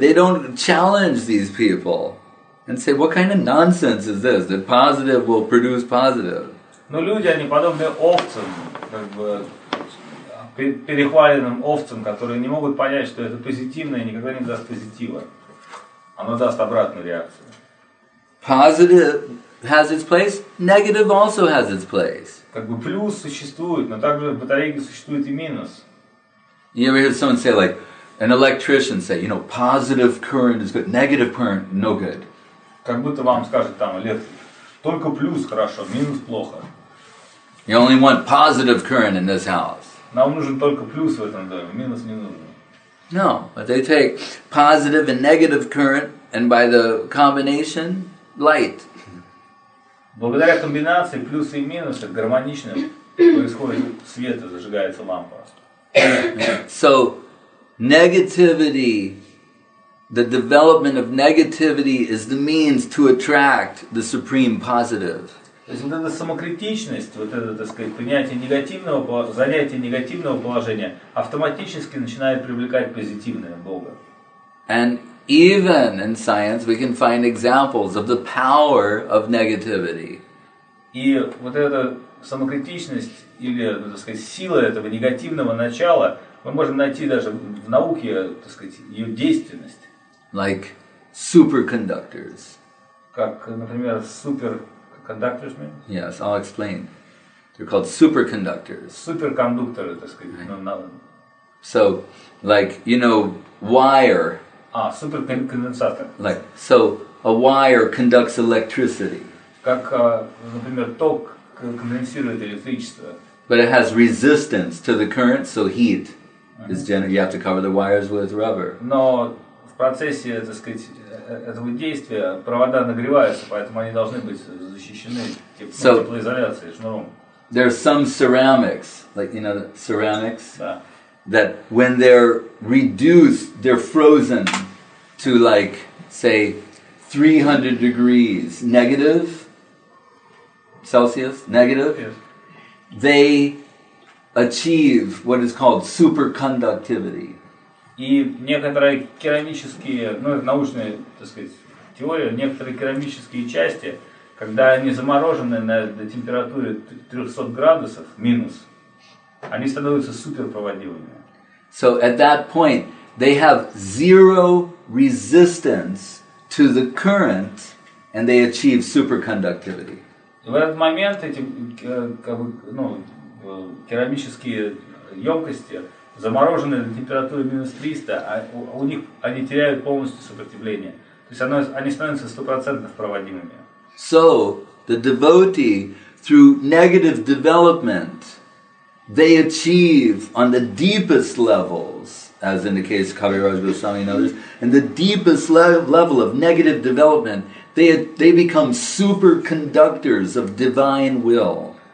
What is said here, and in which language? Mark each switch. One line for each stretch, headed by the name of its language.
English: They don't challenge these people and say, what kind of nonsense is this? That positive will produce positive.
Russian: Но люди, они подобны овцам, как бы перехваленным овцам, которые не могут понять, что это позитивное никогда не даст позитива. Оно даст обратную реакцию.
English: Positive has its place, negative also has its place.
Russian: Как бы плюс существует, но также в батарейке существует и минус.
English: You ever hear someone say, like, an electrician say, you know, positive current is good, negative current, no good.
Russian: Как будто вам скажет там электрик, только плюс хорошо, минус плохо.
English: You only want positive current in this house.
Russian: Нам нужен только плюс в этом доме, минус не нужен.
English: No, but they take positive and negative current, and by the combination, light.
Russian: Благодаря комбинации плюса и минуса гармонично происходит свет и зажигается лампа.
English: So, negativity, the development of negativity is the means to attract the supreme positive.
Russian: То есть вот эта самокритичность, вот это, так сказать, принятие негативного, занятие негативного положения автоматически начинает привлекать позитивное Бога.
English: And even in science we can find examples of the power of negativity.
Russian: И вот эта самокритичность или, так сказать, сила этого негативного начала, мы можем найти даже в науке, так сказать, ее действенность.
English: Like superconductors.
Russian: Как, например, супер...
English: Yes, I'll explain. They're called superconductors.
Russian: Superconductor, так сказать.
English: So, like, you know, wire. Ah, superconductor. Like, so a wire conducts electricity.
Russian: Как, например, ток конденсирует электричество.
English: But it has resistance to the current, so heat is generated. You have to cover the wires with rubber.
Russian: Но в процессе, так сказать, этого действия провода нагреваются, поэтому они должны быть защищены теплоизоляцией, шнуром.
English: There are some ceramics, like, you know, ceramics, that when they're reduced, they're frozen to, like, say, 300 degrees negative Celsius, negative, they achieve what is called superconductivity.
Russian: И некоторые керамические, ну это научная, так сказать, теория, некоторые керамические части, когда они заморожены на температуре 300 градусов минус, они становятся суперпроводимыми.
English: So at that point they have zero resistance to the current and they achieve superconductivity.
Russian: И в этот момент эти, как бы, ну, керамические емкости замороженные на температуре минус 300, а у них они теряют полностью сопротивление. То есть они становятся 100% проводимыми.
English: So, the devotee, through negative development, they achieve on the deepest levels, as in the case of Kaviraj Goswami and others, and the deepest level of negative development, they become superconductors of divine will.